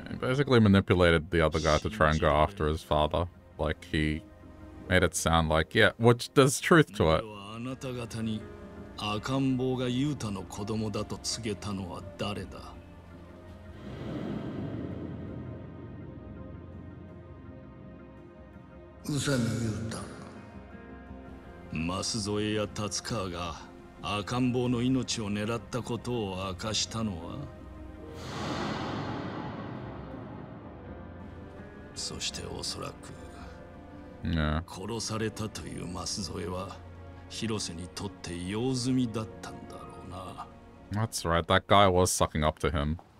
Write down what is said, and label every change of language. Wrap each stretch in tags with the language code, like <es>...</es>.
<en>He basically manipulated the other guy to try and go after his father. Like, he made it sound like, yeah, which there's truth to it.</en> <ja>あなた方に赤ん坊がユータの子供だと告げたのは誰だ。宇佐美ユータ。マスゾエやタツカーが赤ん坊の命を狙ったことを明かしたのは、そしておそらく、</ja> <en>yeah.</en> <ja>殺されたというマスゾエは広瀬にとって用済みだったんだろうな。</ja> <en>That's right, that guy was sucking up to him.</en>